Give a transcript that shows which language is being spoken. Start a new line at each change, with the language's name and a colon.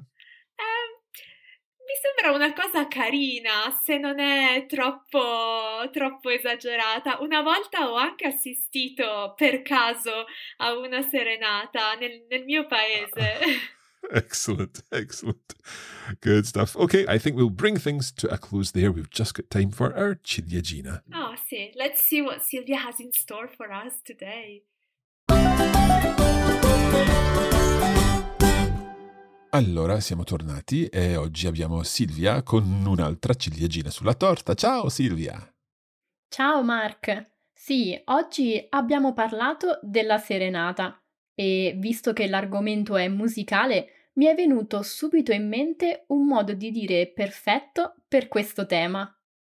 Italian: Mi sembra una cosa carina, se non è troppo esagerata. Una volta ho anche assistito per caso a una serenata nel mio paese.
English: Excellent, excellent. Good stuff. Okay, I think we'll bring things to a close there. We've just got time for our Ciliegina. Oh, see. Let's see what Silvia has in store for us today.
Italian: Allora, siamo tornati e oggi abbiamo Silvia con un'altra ciliegina sulla torta. Ciao Silvia! Ciao Mark! Sì, oggi abbiamo parlato della serenata e visto che l'argomento è musicale, mi è venuto subito in mente un modo di dire perfetto per questo tema.